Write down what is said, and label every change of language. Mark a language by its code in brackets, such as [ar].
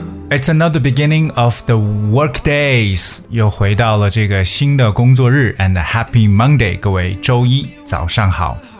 [en] It's another beginning of the work days. [zh] 又回到了这个新的工作日。 [en] And a happy Monday, [zh] 各位周一早上好。